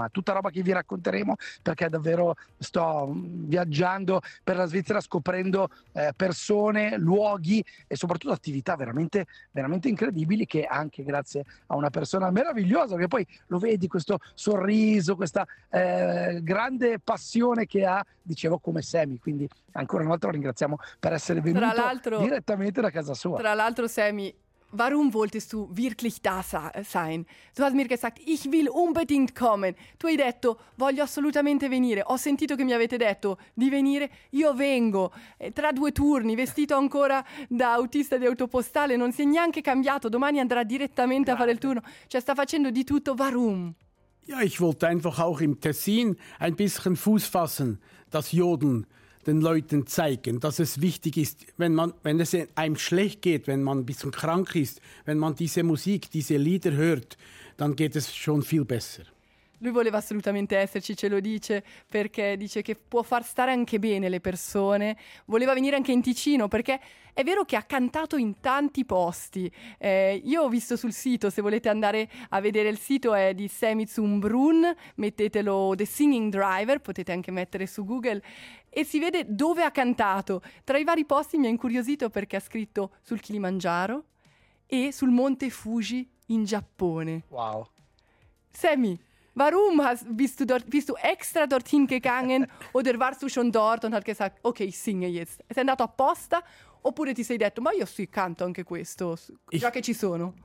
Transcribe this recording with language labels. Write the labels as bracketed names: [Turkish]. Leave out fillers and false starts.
[Italian] Ma tutta roba che vi racconteremo, perché davvero sto viaggiando per la Svizzera scoprendo persone, luoghi e soprattutto attività veramente, veramente incredibili, che anche grazie a una persona meravigliosa, che poi lo vedi questo sorriso, questa grande passione che ha, dicevo, come Sammy. Quindi ancora una volta lo ringraziamo per essere venuto direttamente da casa sua. Tra l'altro, [German] Sammy, warum wolltest du wirklich da sein? Tu hast mir gesagt, ich will unbedingt kommen. [Italian] Tu hai detto, voglio assolutamente venire. Ho sentito che mi avete detto di venire. Io vengo. Tra due turni, vestito ancora da autista di autopostale, non si è neanche cambiato. Domani andrà direttamente a fare il turno. Cioè, sta facendo di tutto. [German] Warum? Ja, ich wollte einfach auch im Tessin ein bisschen Fuß fassen, das Jodeln den Leuten zeigen, dass es wichtig ist, wenn es einem schlecht geht, wenn man ein bisschen krank ist, wenn man diese Musik, diese Lieder hört, dann geht es schon viel besser. [Italian] Lui voleva assolutamente esserci, ce lo dice, perché dice che può far stare anche bene le persone. Voleva venire anche in Ticino, perché è vero che ha cantato in tanti posti. Io ho visto sul sito, se volete andare a vedere il sito, è di Sammy Zumbrunn, mettetelo The Singing Driver, potete anche mettere su Google, e si vede dove ha cantato. Tra i vari posti mi ha incuriosito perché ha scritto sul Kilimangiaro e sul Monte Fuji in Giappone. [English] Wow. [German] Sammy, warum bist du extra dorthin gegangen oder warst du schon dort und hat gesagt, okay, ich singe jetzt? [Italian] Sei andato apposta oppure ti sei detto, ma io sì, canto anche questo, già che ci sono?